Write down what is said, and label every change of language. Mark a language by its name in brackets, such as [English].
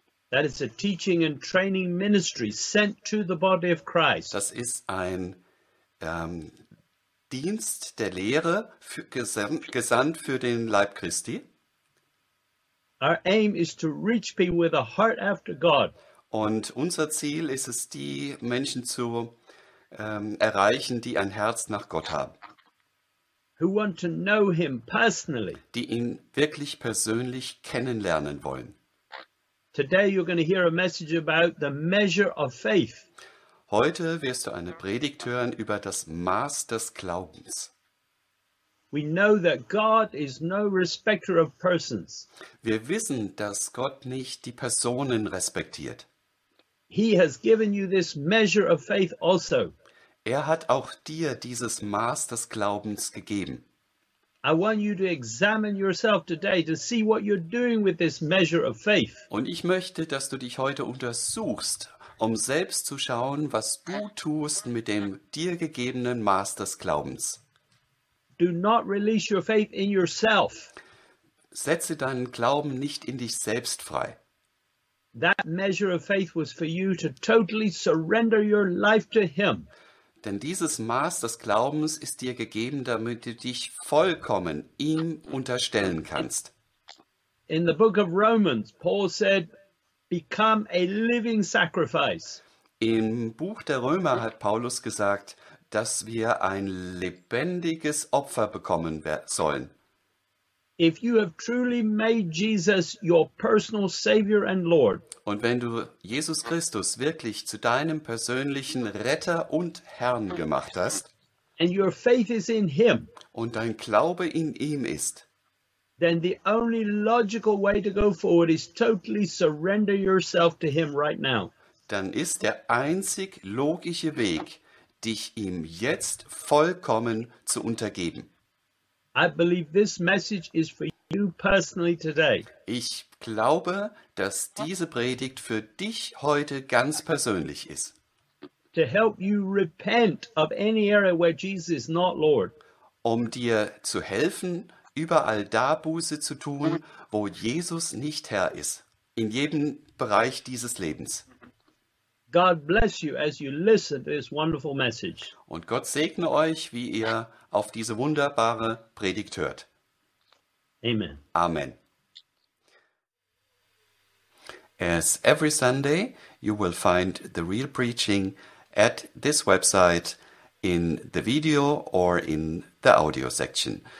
[English] That is a teaching and training ministry sent to the body of Christ. [German] Das ist ein Dienst der Lehre für, gesandt für den Leib Christi. [English] Our aim is to reach people with a heart after God. [German] Und unser Ziel ist es, die Menschen zu erreichen, die ein Herz nach Gott haben. [English] Who want to know him personally. [German] Die ihn wirklich persönlich kennenlernen wollen. [English] Today you're going to hear a message about the measure of faith. [German] Heute wirst du eine Predigt hören über das Maß des Glaubens. [English] We know that God is no respecter of persons. [German] Wir wissen, dass Gott nicht die Personen respektiert. [English] He has given you this measure of faith also. [German] Er hat auch dir dieses Maß des Glaubens gegeben. [English] I want you to examine yourself today to see what you're doing with this measure of faith. [German] Und ich möchte, dass du dich heute untersuchst, um selbst zu schauen, was du tust mit dem dir gegebenen Maß des Glaubens. [English] Do not release your faith in yourself. [German] Setze deinen Glauben nicht in dich selbst frei. [English] That measure of faith was for you to totally surrender your life to him. [German] Denn dieses Maß des Glaubens ist dir gegeben, damit du dich vollkommen ihm unterstellen kannst. [English] In the book of Romans, Paul said, become a living sacrifice. [German] Im Buch der Römer hat Paulus gesagt, dass wir ein lebendiges Opfer bekommen sollen. [English] If you have truly made Jesus your personal savior and Lord. [German] Und wenn du Jesus Christus wirklich zu deinem persönlichen Retter und Herrn gemacht hast, [English] and your faith is in him, [German] und dein Glaube in ihm ist, [English] then the only logical way to go forward is totally surrender yourself to him right now. [German] Dann ist der einzig logische Weg, dich ihm jetzt vollkommen zu untergeben. [English] I believe this message is for you personally today. [German] Ich glaube, dass diese Predigt für dich heute ganz persönlich ist. [English] To help you repent of any area where Jesus is not Lord. [German] Um dir zu helfen, überall da Buße zu tun, wo Jesus nicht Herr ist, in jedem Bereich dieses Lebens. [English] God bless you as you listen to this wonderful message. [German] Und Gott segne euch, wie ihr auf diese wunderbare Predigt hört. [English] Amen. [German] Amen. [English] As every Sunday, you will find the real preaching at this website in the video or in the audio section.